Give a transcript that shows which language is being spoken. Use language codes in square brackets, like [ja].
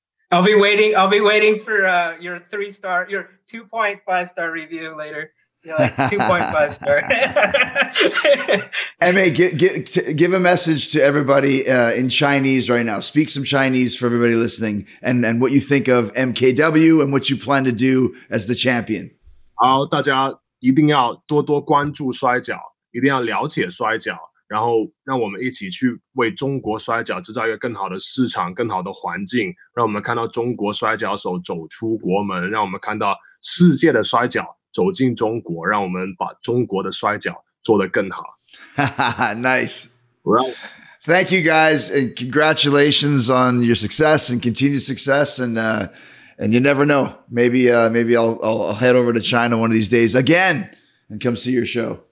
[en] I'll be waiting for your 3-star, your 2.5-star review later. You're like 2.5 star. MA, give a message to everybody in Chinese right now. Speak some Chinese for everybody listening and what you think of MKW and what you plan to do as the champion. [zh] 好，大家一定要多多关注摔角，一定要了解摔角，然后让我们一起去为中国摔角制造一个更好的市场，更好的环境，让我们看到中国摔角手走出国门，让我们看到世界的摔角走进中国，让我们把中国的摔角做得更好。 [en] Nice. Right. Thank you guys and congratulations on your success and continued success and you never know. Maybe I'll head over to China one of these days again and come see your show.